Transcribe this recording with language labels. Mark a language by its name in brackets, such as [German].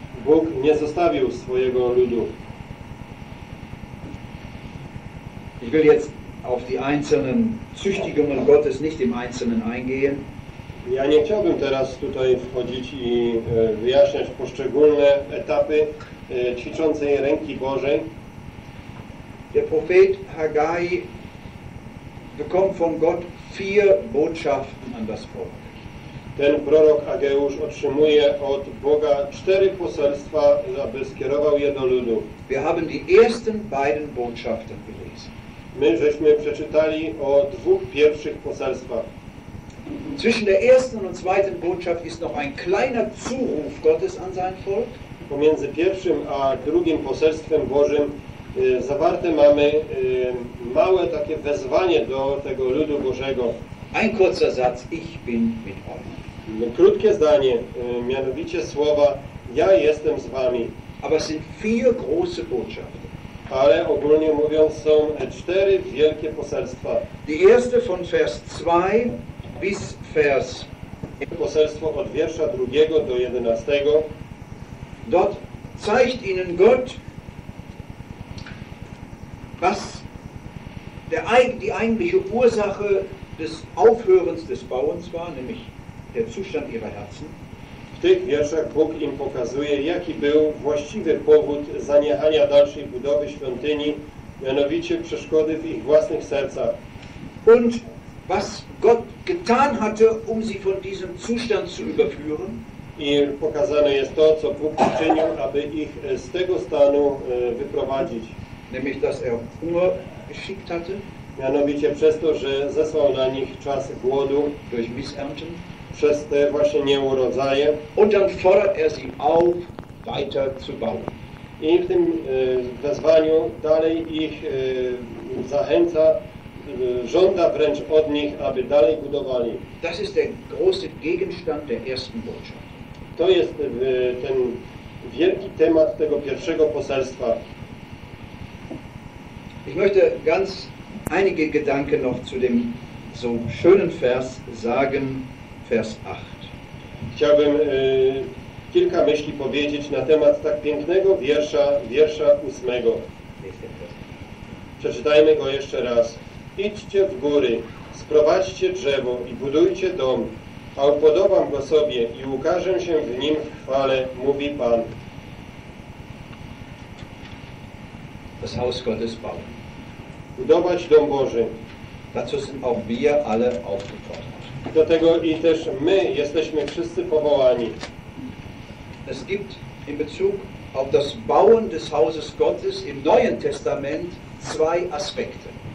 [Polish] Bóg nie zostawił swojego ludu. [German] Ich will jetzt auf die einzelnen Züchtigungen Gottes nicht im Einzelnen eingehen. [Polish] Ja nie chciałbym teraz tutaj wchodzić i wyjaśniać poszczególne etapy ćwiczącej ręki Bożej. [German] Der Prophet Haggai bekommt von Gott vier Botschaften an das Volk. [Polish] Ten prorok Ageusz otrzymuje od Boga cztery poselstwa, aby skierował je do ludu. [German] Wir haben die ersten beiden Botschaften gelesen. [Polish] My żeśmy przeczytali o dwóch pierwszych poselstwach. [German] Zwischen der ersten und zweiten Botschaft ist noch ein kleiner Zuruf Gottes an sein Volk. [Polish] Pomiędzy pierwszym a drugim poselstwem Bożym zawarte mamy małe takie wezwanie do tego ludu Bożego. [German] Ein kurzer Satz, ich bin mit euch. [Polish] Krótkie zdanie, mianowicie słowa, ja jestem z wami. [German] Aber es sind vier große Botschaften. [Polish] Ale ogólnie mówiąc są cztery wielkie poselstwa. [German] Die erste von Vers 2. Bis vers. [Polish] Poselstwo od wiersza 2 do 11. [German] Dort zeigt ihnen Gott, was die eigentliche Ursache des Aufhörens des Bauens war, nämlich der Zustand ihrer Herzen. [Polish] W tych wierszach Bóg im pokazuje, jaki był właściwy powód zaniechania dalszej budowy świątyni, mianowicie przeszkody w ich własnych sercach. [German] Und was Gott getan hatte, um sie von diesem Zustand zu überführen. [Polish] I pokazane jest to, co Bóg uczynił, aby ich z tego stanu wyprowadzić. [German] Nämlich, dass er Hunger geschickt hatte. [Polish] Mianowicie przez to, że zesłał na nich czas głodu, [German] durch Missernten, [Polish] przez te właśnie nieurodzaje. [German] Und dann fordert sie auf, weiter zu bauen. [Polish] I w tym wezwaniu dalej ich zachęca, żąda wręcz od nich, aby dalej budowali. [German] Das ist der große Gegenstand der ersten Botschaft. [Polish] To jest ten wielki temat tego pierwszego poselstwa. [German] Ich möchte ganz einige Gedanken noch zu dem so schönen Vers sagen, Vers 8. [Polish] Chciałbym kilka myśli powiedzieć na temat tak pięknego wiersza, wiersza 8. Przeczytajmy go jeszcze raz. Idźcie w góry, sprowadźcie drzewo i budujcie dom, a upodobam go sobie i ukażę się w nim w chwale, mówi Pan. [German] Das Haus Gottes bauen. [Polish] Budować dom Boży. [German] Dazu sind auch wir alle aufgefordert. [Polish] Do tego i też my jesteśmy wszyscy powołani. [German] Es gibt in Bezug auf das Bauen des Hauses Gottes im Neuen Testament zwei Aspekte.